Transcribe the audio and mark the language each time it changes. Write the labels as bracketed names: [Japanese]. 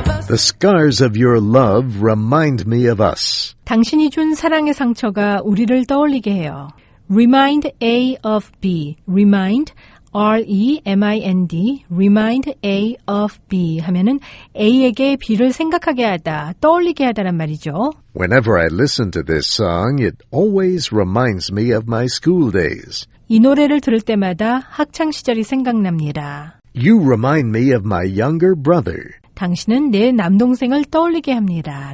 [English] The scars of your love remind me of us. [Korean] 당신이 준 사랑의 상처가 우리를 떠올리게 해요. [English] Remind A of B. Remind, R-E-M-I-N-D. Remind A of B. [Korean] 하면은 A에게 B를 생각하게 하다, 떠올리게 하다란 말이죠. [English] Whenever I listen to this song, it always reminds me of my school days. [Korean] 이 노래를 들을 때마다 학창 시절이 생각납니다. [English] You remind me of my younger brother. [Korean] 당신은 내 남동생을 떠올리게 합니다.